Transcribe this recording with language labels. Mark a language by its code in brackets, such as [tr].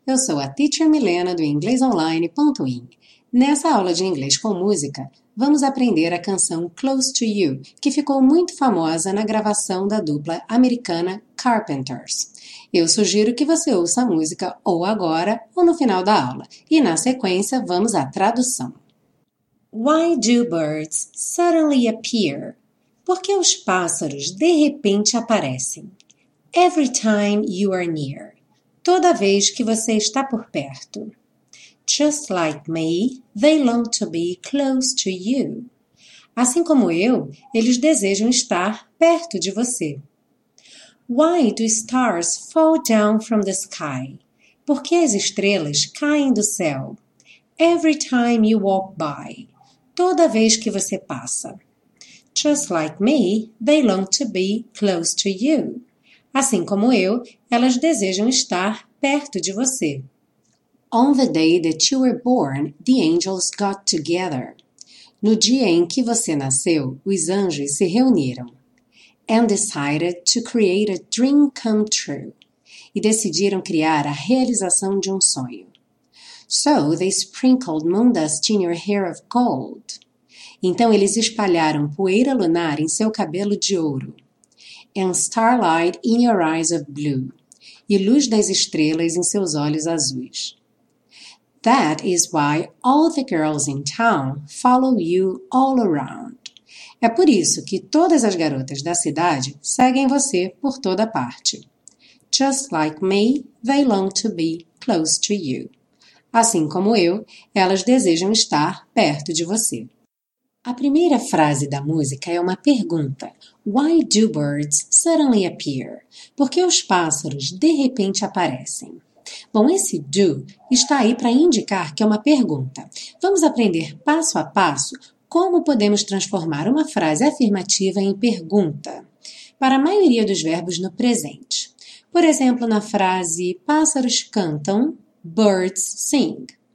[pt] Eu sou a Teacher Milena do inglesonline.in. Nessa aula de inglês com música, vamos aprender a canção Close to You, que ficou muito famosa na gravação da dupla americana Carpenters. Eu sugiro que você ouça a música ou agora ou no final da aula. E na sequência, vamos à tradução. [en] Why do birds suddenly appear? [pt] Por que os pássaros de repente aparecem? [en] Every time you are near. [pt] Toda vez que você está por perto. [en] Just like me, they long to be close to you. [pt] Assim como eu, eles desejam estar perto de você. [en] Why do stars fall down from the sky? [pt] Por que as estrelas caem do céu? [en] Every time you walk by. [pt] Toda vez que você passa. [en] Just like me, they long to be close to you. [pt] Assim como eu, elas desejam estar perto de você. [en] On the day that you were born, the angels got together. [pt] No dia em que você nasceu, os anjos se reuniram. [en] And decided to create a dream come true. [pt] E decidiram criar a realização de um sonho. [en] So they sprinkled moon dust in your hair of gold. [pt] Então eles espalharam poeira lunar em seu cabelo de ouro. [en] And starlight in your eyes of blue. [pt] E luz das estrelas em seus olhos azuis. [en] That is why all the girls in town follow you all around. [pt] É por isso que todas as garotas da cidade seguem você por toda parte. [en] Just like me, they long to be close to you. [pt] Assim como eu, elas desejam estar perto de você. A primeira frase da música é uma pergunta. [en] Why do birds suddenly appear? [pt] Por que os pássaros de repente aparecem? Bom, esse do está aí para indicar que é uma pergunta. Vamos aprender passo a passo como podemos transformar uma frase afirmativa em pergunta para a maioria dos verbos no presente. Por exemplo, na frase pássaros cantam, [en] birds sing.